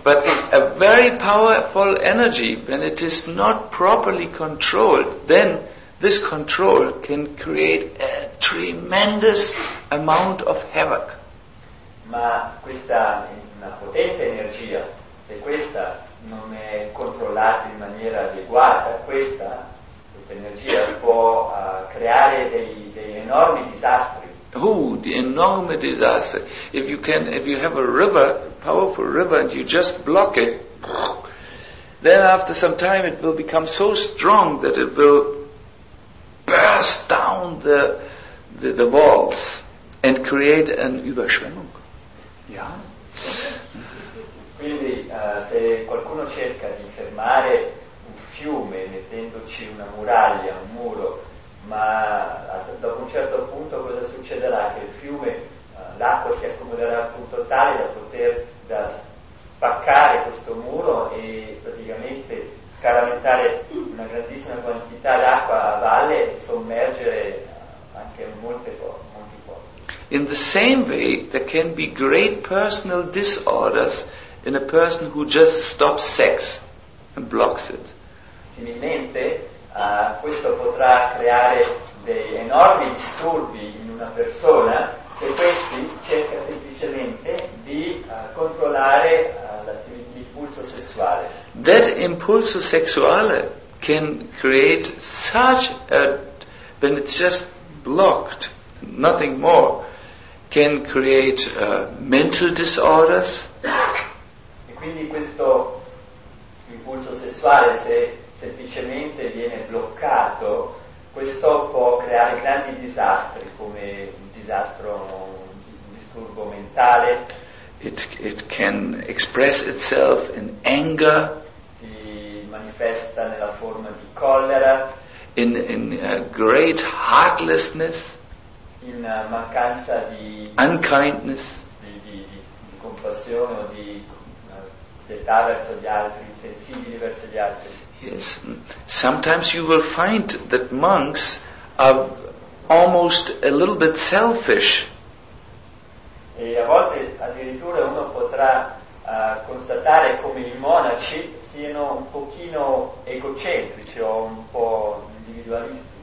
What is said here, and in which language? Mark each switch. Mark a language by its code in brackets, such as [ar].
[en] But a very powerful energy, when it is not properly controlled, then this control can create a tremendous amount of havoc. [it] Ma questa è una potente energia, se questa non è controllata in maniera adeguata, questa energia può creare degli enormi disastri. [en] Oh, the enormous disaster! If you have a river, powerful river, and you just block it, then after some time it will become so strong that it will burst down the walls and create an überschwemmung. Yeah. [it] Quindi se qualcuno cerca di fermare un fiume mettendoci una muraglia, un muro, ma dopo un certo punto cosa succederà? Che il fiume, l'acqua si accumulerà al punto tale da poter spaccare questo muro e praticamente scaraventare una grandissima quantità d'acqua a valle e sommergere anche molti posti. [en] In the same way there can be great personal disorders in a person who just stops sex and blocks it. [it] Similmente, questo potrà creare dei enormi disturbi in una persona se questi cerca semplicemente di controllare l'impulso sessuale. [en] That [it] impulso sessuale [en] can create such a, when it's just blocked, nothing more, can create mental disorders. [it] E quindi questo impulso sessuale, se semplicemente viene bloccato, questo può creare grandi disastri, come un disturbo mentale. [en] It can express itself in anger, [it] si manifesta nella forma di collera, [en] in a great heartlessness, [it] in mancanza di [en] unkindness, [it] di compassione o di pietà verso gli altri, insensibili verso gli altri. [en] Yes, sometimes you will find that monks are almost a little bit selfish. [it] E a volte addirittura uno potrà constatare come i monaci siano un pochino egocentrici o un po' individualisti.